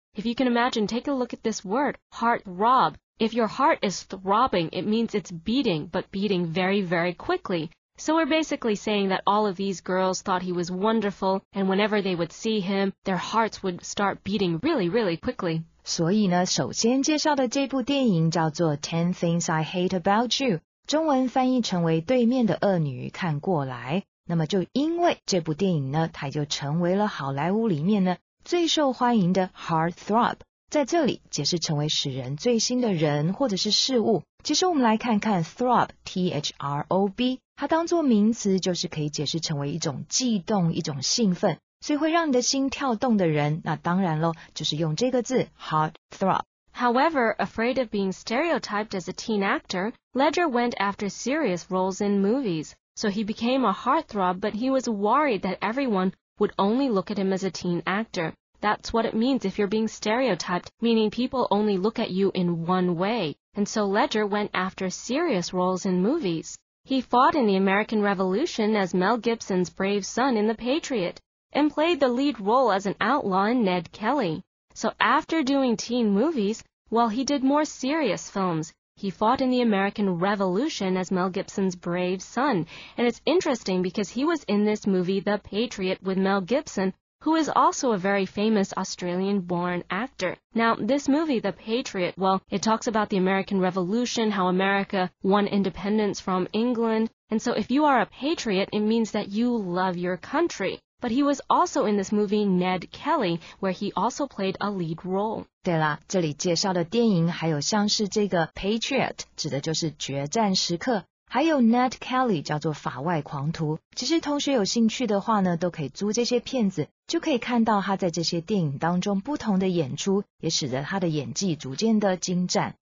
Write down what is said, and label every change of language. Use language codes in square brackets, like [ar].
[en] If you can imagine, take a look at this word, heartthrob. If your heart is throbbing, it means it's beating, but beating very, very quickly. So we're basically saying that all of these girls thought he was wonderful, and whenever they would see him, their hearts would start beating really, really quickly. [zh] 所以呢，首先介绍的这部电影叫做 Ten Things I Hate About You， 中文翻译成为《对面的恶女看过来》。那么就因为这部电影呢，它就成为了好莱坞里面呢最受欢迎的 heartthrob， 在这里解释成为使人醉心的人或者是事物。其实我们来看看 throb， T H R O B， 它当作名词就是可以解释成为一种悸动、一种兴奋，所以会让你的心跳动的人，那当然咯，就是用这个字 heartthrob。 [en] However, afraid of being stereotyped as a teen actor, Ledger went after serious roles in movies. So he became a heartthrob, but he was worried that everyone would only look at him as a teen actor. That's what it means if you're being stereotyped, meaning people only look at you in one way. And so Ledger went after serious roles in movies. He fought in the American Revolution as Mel Gibson's brave son in The Patriot, and played the lead role as an outlaw in Ned Kelly. So after doing teen movies, well, he did more serious films. He fought in the American Revolution as Mel Gibson's brave son. And it's interesting because he was in this movie, The Patriot, with Mel Gibson, who is also a very famous Australian-born actor. Now, this movie, The Patriot, well, it talks about the American Revolution, how America won independence from England. And so if you are a patriot, it means that you love your country. But he was also in this movie Ned Kelly, where he also played a lead role. [zh] 对啦，这里介绍的电影还有像是这个 Patriot, 指的就是决战时刻，还有 Ned Kelly, 叫做法外狂徒。其实同学有兴趣的话呢，都可以租这些片子，就可以看到他在这些电影当中不同的演出，也使得他的演技逐渐的精湛。